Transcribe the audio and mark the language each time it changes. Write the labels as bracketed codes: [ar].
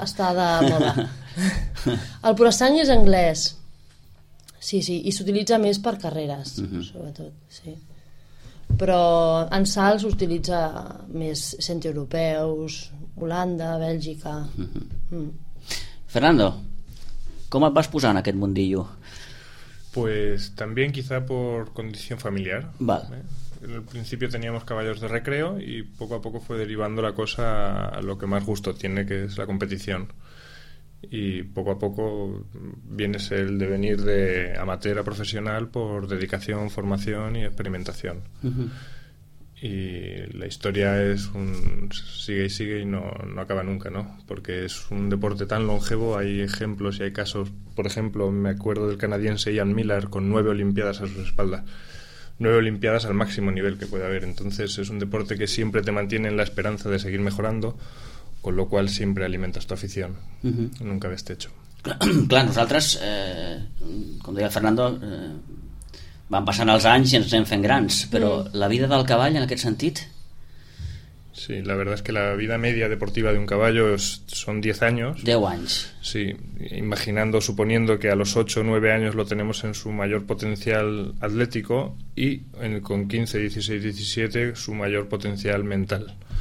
[ca] Està de moda. El pura sang és anglès. Sí, sí, i s'utilitza més per carreres, uh-huh, sobretot, sí. Però en salts s'utilitza més centroeuropeus, Holanda, Bèlgica... Fernando, ¿cómo vas posar en aquest mundillo? [es] Pues también quizá por condición familiar. Vale. En el principio teníamos caballos de recreo y poco a poco fue derivando la cosa a lo que más gusto tiene, que es la competición. Y poco a poco vienes el devenir de amateur a profesional por dedicación, formación y experimentación. Uh-huh. Y la historia es un sigue y sigue y no acaba nunca, ¿no? Porque es un deporte tan longevo, hay ejemplos y hay casos. Por ejemplo, me acuerdo del canadiense Ian Miller con 9 olimpiadas a su espalda. 9 olimpiadas al máximo nivel que puede haber. Entonces es un deporte que siempre te mantiene en la esperanza de seguir mejorando, con lo cual siempre alimentas tu afición. Uh-huh. Nunca ves techo. [ca] Clar, nosaltres, com deia el Fernando, van passant els anys i ens anem fent grans, però la vida del cavall en aquest sentit... [es] Sí, la verdad es que la vida media deportiva de un caballo son 10 años. 10 años. Sí, imaginando, suponiendo que a los 8 o 9 años lo tenemos en su mayor potencial atlético y con 15, 16, 17 su mayor potencial mental.